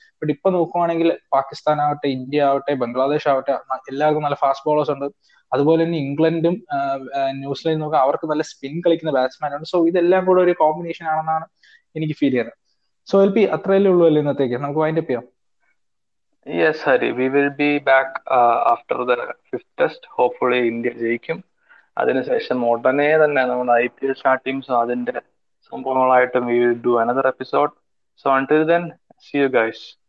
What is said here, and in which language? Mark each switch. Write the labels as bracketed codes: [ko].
[ml] But ഇപ്പൊ നോക്കുവാണെങ്കിൽ പാകിസ്ഥാൻ ആവട്ടെ, ഇന്ത്യ ആവട്ടെ, ബംഗ്ലാദേശ് ആവട്ടെ, എല്ലാവർക്കും നല്ല ഫാസ്റ്റ് ബോളേഴ്സ് ഉണ്ട്. അതുപോലെ തന്നെ ഇംഗ്ലണ്ടും ന്യൂസിലൻഡ് നോക്കുക, അവർക്ക് നല്ല സ്പിൻ കളിക്കുന്ന ബാറ്റ്സ്മാൻ ഉണ്ട്. സോ ഇതെല്ലാം കൂടെ ഒരു കോമ്പിനേഷൻ ആണെന്നാണ് എനിക്ക് ഫീൽ ചെയ്യുന്നത്. സോ എൽ പി അത്രയല്ലേ ഉള്ളൂ അല്ലേ ഇന്നത്തേക്ക്, നമുക്ക് വൈൻഡ് അപ്പ് ചെയ്യാം. [en] Yes, Hari. We will be back after the 5th test. Hopefully, India [ml] ജയിക്കും. അതിനുശേഷം ഉടനെ തന്നെ നമ്മുടെ IPL സ്റ്റാർട്ട് ചെയ്യും. സോ അതിന്റെ സംഭവങ്ങളായിട്ടും [en] we will do another episode. So until then, see you guys.